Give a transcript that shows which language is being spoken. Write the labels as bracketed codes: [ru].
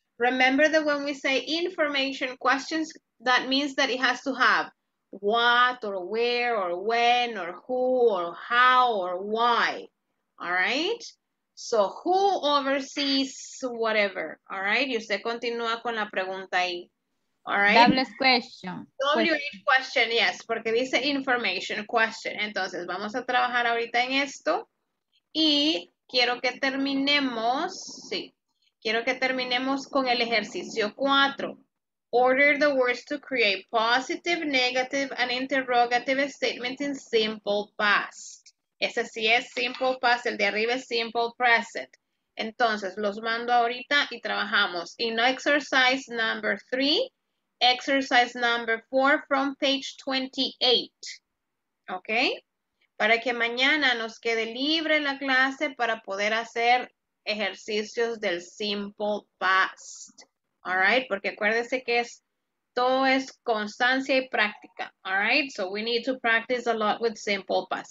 [en] Remember that when we say information questions, that means that it has to have what or where or when or who or how or why, all right? So, who oversees whatever, all right? [es] Y usted continúa con la pregunta ahí, [en] all right? Double question. WH question, yes, [es] porque dice [en] information question. [es] Entonces, vamos a trabajar ahorita en esto y quiero que terminemos, sí, quiero que terminemos con el ejercicio 4. [en] Order the words to create positive, negative, and interrogative statements in simple past. [es] Ese sí es simple past, el de arriba es simple present. Entonces, los mando ahorita y trabajamos. [en] In exercise number 3, exercise number 4 from page 28. [es] ¿Ok? Para que mañana nos quede libre la clase para poder hacer ejercicios del simple past. [en] All right? [es] Porque acuérdese que es, todo es constancia y práctica. [en] All right? So we need to practice a lot with simple past.